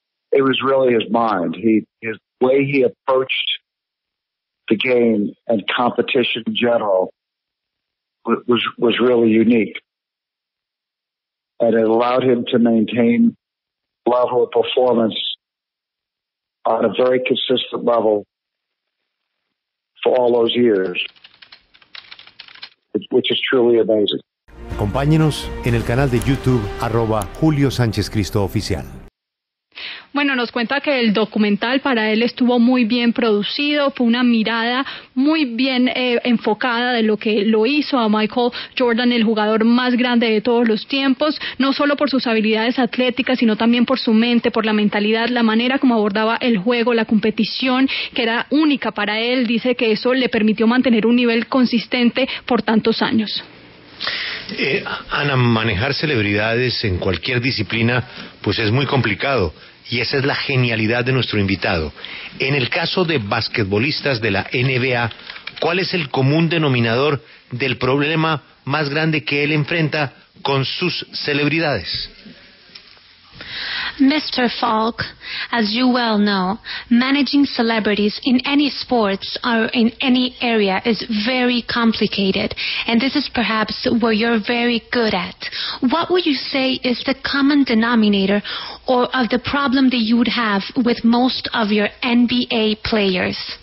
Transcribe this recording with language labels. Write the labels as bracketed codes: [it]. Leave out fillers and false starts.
[en] It was really his mind. His way he approached the game and competition in general was really unique. And it allowed him to maintain level of performance on a very consistent level for all those years, which is truly amazing. [es] Acompáñenos en el canal de YouTube @Julio Sánchez Cristo Oficial. Bueno, nos cuenta que el documental para él estuvo muy bien producido, fue una mirada muy bien enfocada de lo que lo hizo a Michael Jordan el jugador más grande de todos los tiempos, no solo por sus habilidades atléticas, sino también por su mente, por la mentalidad, la manera como abordaba el juego, la competición, que era única para él. Dice que eso le permitió mantener un nivel consistente por tantos años. Ana, manejar celebridades en cualquier disciplina, pues es muy complicado. Y esa es la genialidad de nuestro invitado. En el caso de basquetbolistas de la NBA, ¿cuál es el común denominador del problema más grande que él enfrenta con sus celebridades? [en] Mr. Falk, as you well know, managing celebrities in any sports or in any area is very complicated, and this is perhaps what you're very good at. What would you say is the common denominator or of the problem that you would have with most of your NBA players?